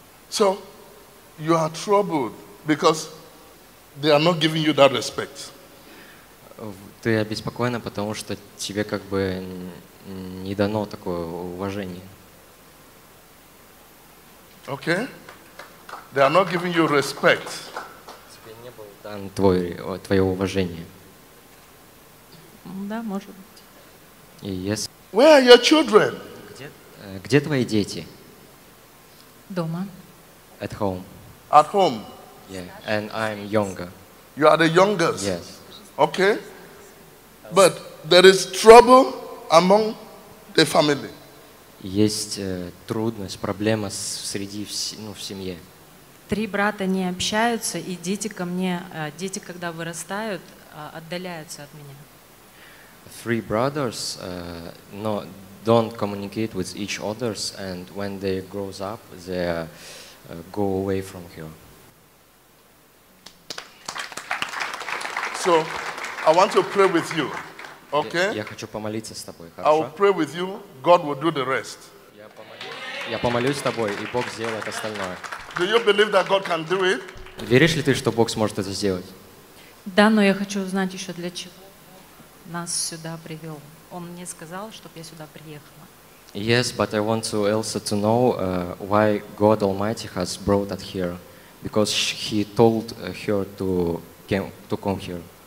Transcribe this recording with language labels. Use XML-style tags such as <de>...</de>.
<en>So, you are troubled because they are not giving you that respect.</en> <ru>Ты обеспокоена, потому что тебе как бы не дано такое уважение.</ru> <en>Okay. They are not giving you respect.</en> <ru>Тебе не было дан твое уважение. Да, может быть.</ru> <en>Yes. Where are your children?</en> <ru>Где твои дети? Дома.</ru> <en>At home. At home. Yeah. And I'm younger. You are the youngest. Yes. Okay. But there is trouble among the family.</en> <ru>Есть трудность, проблема среди в семье. Три брата не общаются, и дети ко мне, дети, когда вырастают, отдаляются от меня.</ru> <en>Three brothers don't communicate with each others, and when they grow up, they go away from here. So, I want to pray with you. Okay?</en> <ru>Я хочу помолиться с тобой, хорошо?</ru> <en>I will pray with you. God will do the rest.</en> <ru>Я помолюсь с тобой, и Бог сделает остальное.</ru> <en>Do you believe that God can do it?</en> <ru>Веришь ли ты, что Бог сможет это сделать? Да, но я хочу узнать еще для чего нас сюда привел. Он мне сказал, чтобы я сюда приехала.</ru> <en>Yes, but I want to Elsa to know why God Almighty has brought us here, because He told her to come here.</en>